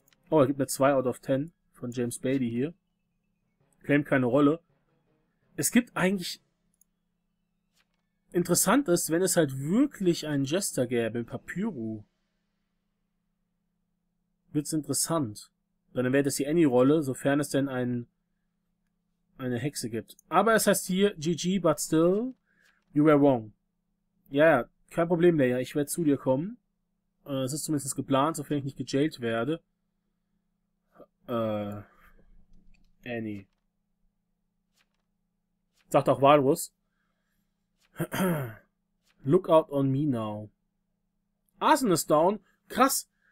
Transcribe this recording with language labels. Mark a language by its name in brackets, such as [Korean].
[German] Oh, er gibt mir [English] 2 out of 10 [German] von James Bailey hier. Claimt keine Rolle. Es gibt eigentlich... Interessant ist, wenn es halt wirklich einen Jester gäbe in Papyro, wird's interessant. Dann wäre das hier any Rolle, sofern es denn eine Hexe gibt. Aber es heißt hier, [English] GG, but still, you were wrong. [German] Ja, ja, kein Problem, Leia. Ich werde zu dir kommen. Es ist zumindest geplant, sofern ich nicht gejailt werde. Annie. Sagt auch Walrus. [English] Look out on me now. Arson is down. [German] Krass.